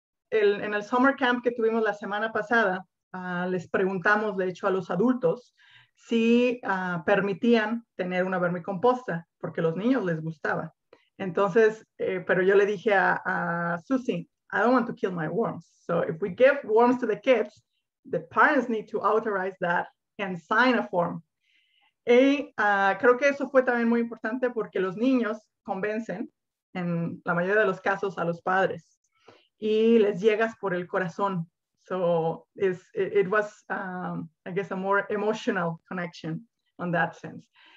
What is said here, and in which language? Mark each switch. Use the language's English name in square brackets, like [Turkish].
[Spanish] En el summer camp que tuvimos la semana pasada, les preguntamos, de hecho, a los adultos, si permitían tener una vermicomposta, porque a los niños les gustaba. Entonces, pero yo le dije a Susie, [English] I don't want to kill my worms. So if we give worms to the kids, the parents need to authorize that and sign a form. [Spanish] Y creo que eso fue también muy importante porque los niños convencen, en la mayoría de los casos, a los padres. Y les llegas por el corazón. [English] So I guess, a more emotional connection on that sense.